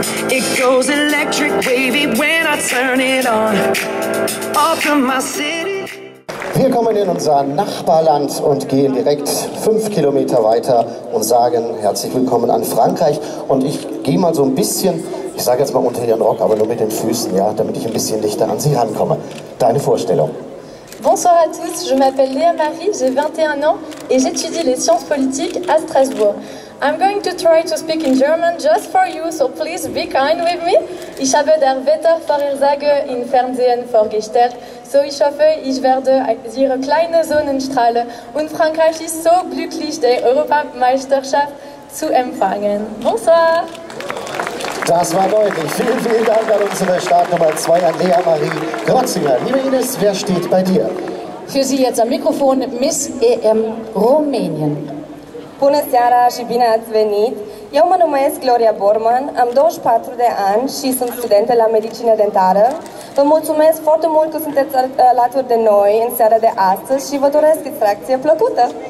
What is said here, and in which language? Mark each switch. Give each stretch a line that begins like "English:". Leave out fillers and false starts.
English: It goes electric, wavy when I turn it on. Off from my city.
German: Wir kommen in unser Nachbarland und gehen direkt 5 Kilometer weiter und sagen herzlich willkommen an Frankreich. Und ich gehe mal so ein bisschen, ich sage jetzt mal unter Ihren Rock, aber nur mit den Füßen, ja, damit ich ein bisschen dichter an Sie rankomme. Deine Vorstellung.
French: Bonsoir à tous, je m'appelle Léa Marie, j'ai 21 ans et j'étudie les sciences politiques à Strasbourg.
English: I'm going to try to speak in German just for you, so please be kind with me.
German: Ich habe der Wetter vorhersage im Fernsehen vorgestellt, so ich hoffe, ich werde Ihre kleine Sonnenstrahle und Frankreich ist so glücklich, die Europameisterschaft zu empfangen.
French: Bonsoir!
German: Das war deutlich. Vielen, vielen Dank an unsere Startnummer 2, an Léa Marie Grotzinger. Liebe Ines, wer steht bei dir? Für Sie jetzt am Mikrofon Miss EM Rumänien.
Romanian: Bună seara și bine ați venit! Eu mă numesc Gloria Borman, am 24 de ani și sunt studentă la medicină dentară. Vă mulțumesc foarte mult că sunteți alături de noi în seara de astăzi și vă doresc distracție plăcută!